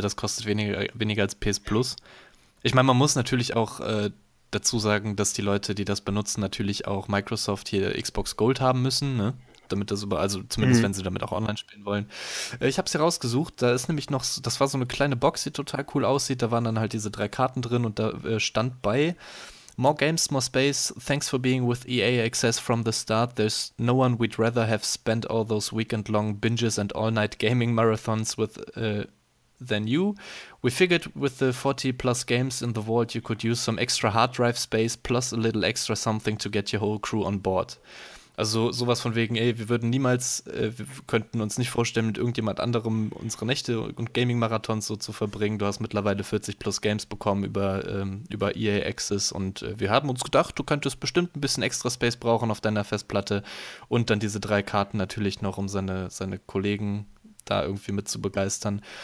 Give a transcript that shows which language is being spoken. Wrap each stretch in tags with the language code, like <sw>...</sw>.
<de>Das kostet weniger als PS Plus. Ich meine, man muss natürlich auch dazu sagen, dass die Leute, die das benutzen, natürlich auch Microsoft hier Xbox Gold haben müssen, ne? Damit das über, also zumindest wenn sie damit auch online spielen wollen. Ich habe es hier rausgesucht, da ist nämlich noch, das war so eine kleine Box, die total cool aussieht. Da waren dann halt diese drei Karten drin und da stand bei:</de> <en>More games, more space. Thanks for being with EA Access from the start. There's no one we'd rather have spent all those weekend-long binges and all-night gaming marathons with than you. We figured with the 40-plus games in the vault, you could use some extra hard drive space plus a little extra something to get your whole crew on board.</en> <de>Also sowas von wegen, ey, wir würden niemals, wir könnten uns nicht vorstellen, mit irgendjemand anderem unsere Nächte und Gaming-Marathons so zu verbringen. Du hast mittlerweile 40 plus Games bekommen über EA Access und wir haben uns gedacht, du könntest bestimmt ein bisschen extra Space brauchen auf deiner Festplatte und dann diese drei Karten natürlich noch, um seine Kollegen da irgendwie mit zu begeistern.</de>